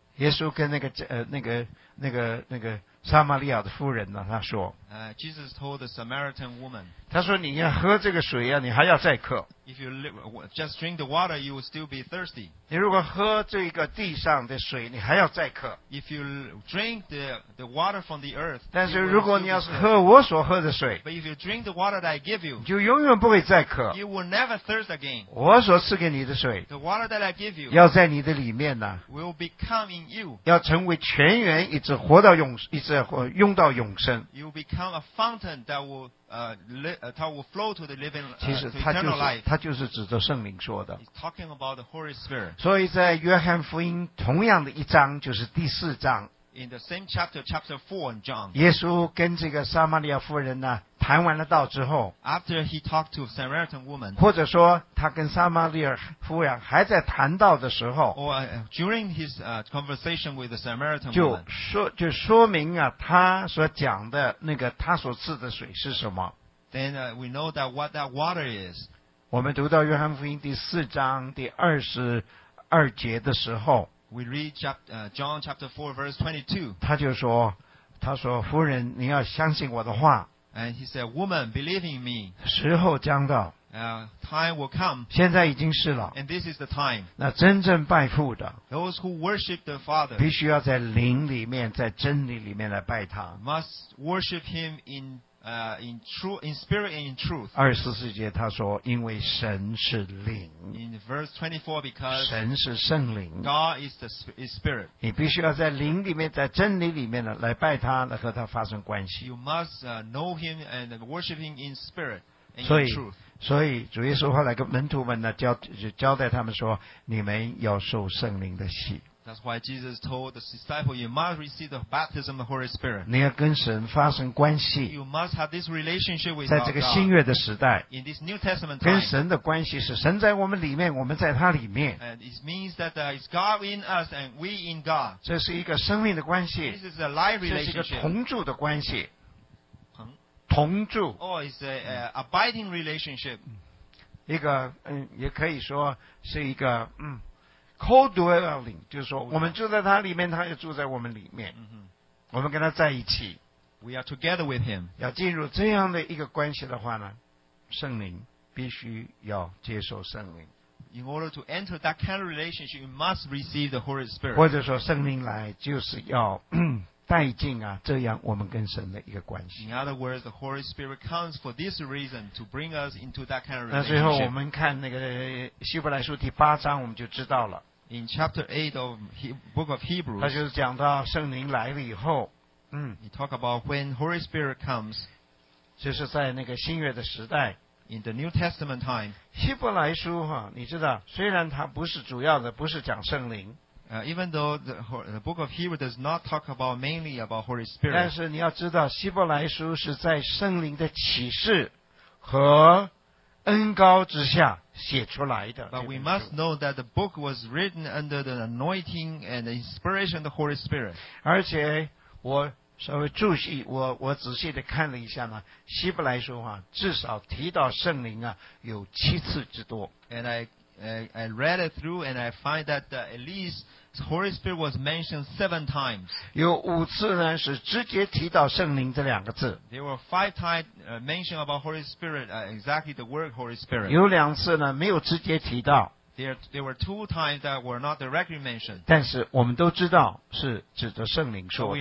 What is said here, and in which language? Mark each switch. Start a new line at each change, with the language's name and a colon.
Chinese: 耶稣跟那个撒玛利亚的妇人呢，他说。
English: Jesus told the Samaritan woman.
Chinese: 他说你要喝这个水呀，你还要再渴。
English: If you just drink the water, you will still be thirsty.
Chinese: 你如果喝这个地上的水，你还要再渴。
English: If you drink the water from the earth,
Chinese: 但是如果你要是喝我所喝的水
English: ，But if you drink the water that I give you,
Chinese: 就永远不会再渴。
English: You will never thirst again.
Chinese: 我所赐给你的水
English: ，The water that I give you,
Chinese: 要在你的里面呢
English: ，Will become in you.
Chinese: 要成为泉源，一直活到永，一直用到永生。
English: You will become a fountain that will.
Chinese: 它
English: will flow to the living,
Chinese: 其实它就是指着圣灵说的。
English: He's talking about the Holy Spirit.
Chinese: 所以在约翰福音同样的一章，就是第四章。
English: In the same chapter, chapter 4 in John.
Chinese: 耶稣跟这个撒玛利亚妇人呢谈完了道之后
English: ，After he talked to Samaritan woman,
Chinese: 或者说他跟撒玛利亚妇人还在谈道的时候
English: ，Or during his conversation with the Samaritan woman,
Chinese: 就说明啊，他所讲的那个他所赐的水是什么
English: ？Then we know that what that water is.
Chinese: 我们读到约翰福音第四章第二十二节的时候。
English: We read John chapter 4 verse 22.
Chinese: 他就说，他说，夫人，你要相信我的话。
English: And he said, woman, believe in me.
Chinese: 时候将到。
English: Time will come.
Chinese: 现在已经是了。
English: And this is the time.
Chinese: 那真正拜父的。
English: Those who worship the Father.
Chinese: 必须要在灵里面，在真理里面来拜他。
English: Must worship him in spirit and in truth.
Chinese: 二十四节他说，因为神是灵。
English: In verse 24, because
Chinese: 神是圣灵。
English: God is spirit.
Chinese: 你必须要在灵里面，在真理里面呢，来拜他，来和他发生关系。
English: You must know him and worship him in spirit and in truth.
Chinese: 所以主耶稣后来跟门徒们呢交代他们说，你们要受圣灵的洗。
English: That's why Jesus told the disciples, you must receive the baptism of the Holy Spirit.
Chinese: 你要跟神发生关系。
English: You must have this relationship with God.
Chinese: 在这个新约的时代。
English: In this New Testament time.
Chinese: 跟神的关系是神在我们里面，我们在他里面。
English: And it means that it's God in us and we in God.
Chinese: 这是一个生命的关系。
English: This is a life relationship.
Chinese: 这是一个同住的关系。同住。
English: Oh, it's an abiding relationship.
Chinese: 一个，也可以说是一个，Co-dwelling 就是说我们住在他里面，他也住在我们里面。 Mm-hmm. 我们跟他在一起。
English: We are together with him.
Chinese: 要进入这样的一个关系的话呢，圣灵必须要接受圣灵。
English: In order to enter that kind of relationship, you must receive the Holy Spirit.
Chinese: 或者说圣灵来就是要带进啊，这样我们跟神的一个关系。
English: In other words, the Holy Spirit comes for this reason to bring us into that kind of relationship.
Chinese: 那最后我们看那个希伯来书第八章，我们就知道了。
English: In chapter 8 of book of Hebrews,
Chinese: 他就是讲到圣灵来了以后，
English: He talk about when Holy Spirit comes,
Chinese: 就是在那个新约的时代。
English: In the New Testament time,
Chinese: 希伯来书哈，你知道，虽然它不是主要的，不是讲圣灵。
English: Even though the book of Hebrews does not talk about mainly about Holy Spirit,
Chinese: 但是你要知道，希伯来书是在圣灵的启示和恩膏之下写出来的。
English: But we must know that the book was written under the anointing and the inspiration of the Holy Spirit.
Chinese: 而且我稍微注意，我仔细的看了一下呢，希伯来书啊，至少提到圣灵啊，有七次之多。
English: And I I read it through and I find that at least Holy Spirit was mentioned seven times.
Chinese: 有5次呢是直接提到圣灵这两个字。
English: There were five times mentioned about Holy Spirit, exactly the word Holy Spirit.
Chinese: 有两次呢没有直接提到。
English: There were two times that were not directly mentioned.
Chinese: 但是我们都知道是指着圣灵说的。